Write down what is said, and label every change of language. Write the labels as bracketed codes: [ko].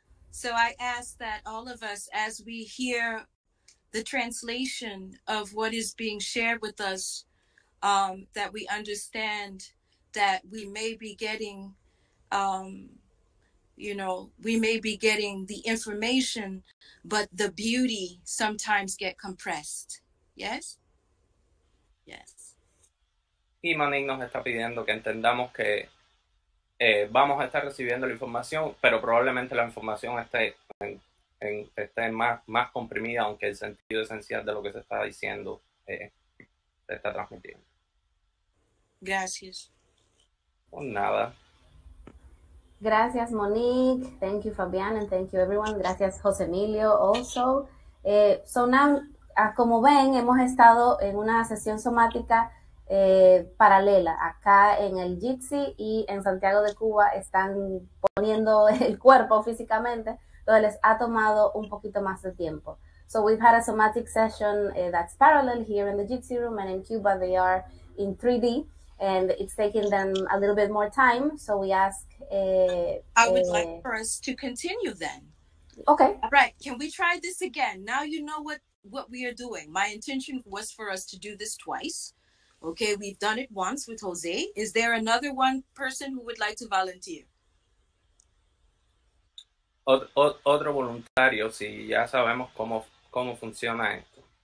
[en] So I ask that all of us, as we hear the translation of what is being shared with us, that we understand that we may be getting, we may be getting the information, but the beauty sometimes get compressed. Yes? Yes. [es] Y Manin nos está pidiendo que entendamos que vamos a estar recibiendo la información, pero probablemente la información esté más comprimida, aunque el sentido esencial de lo que se está diciendo se está transmitiendo. Gracias. Pues nada. Gracias, [en] Monique. Thank you, Fabián, and thank you, everyone. [es] Gracias, José Emilio, also. [en] So now, [es] como ven, hemos estado en una sesión somática paralela, acá en el Jitsi y en Santiago de Cuba están poniendo el cuerpo físicamente, donde les ha tomado un poquito más de tiempo. [en] So we've had a somatic session that's parallel here in the Jitsi room, and in Cuba they are in 3D and it's taking them a little bit more time. So we ask I would like for us to continue then. Okay. All right, can we try this again? Now you know what we are doing. My intention was for us to do this twice. Okay, we've done it once with Jose. Is there another one person who would like to volunteer? [es] Otro voluntario, si ya sabemos cómo funciona esto.